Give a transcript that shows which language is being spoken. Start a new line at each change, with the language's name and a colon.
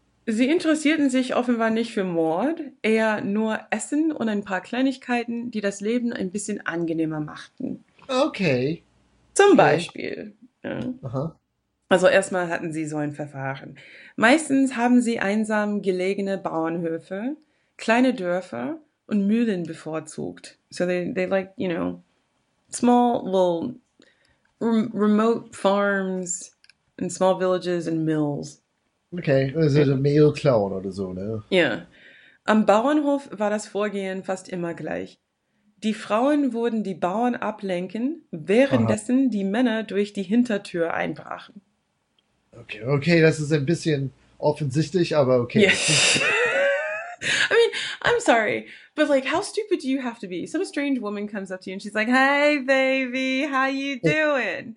German: Sie interessierten sich offenbar nicht für Mord, eher nur Essen und ein paar Kleinigkeiten, die das Leben ein bisschen angenehmer machten. Okay. Zum Beispiel. Ja. Also erstmal hatten sie so ein Verfahren. Meistens haben sie einsam gelegene Bauernhöfe, kleine Dörfer und Mühlen bevorzugt.
English: So they like, you know, small little remote farms and small villages and mills.
German: Okay, also ein Mehl klauen oder so, ne? Ja.
English: Yeah.
German: Am Bauernhof war das Vorgehen fast immer gleich. Die Frauen wurden die Bauern ablenken, währenddessen die Männer durch die Hintertür einbrachen. Okay, das ist ein bisschen offensichtlich, aber okay.
English: Yeah. I mean, I'm sorry, but like, how stupid do you have to be? Some strange woman comes up to you and she's like, hey, baby, how you doing?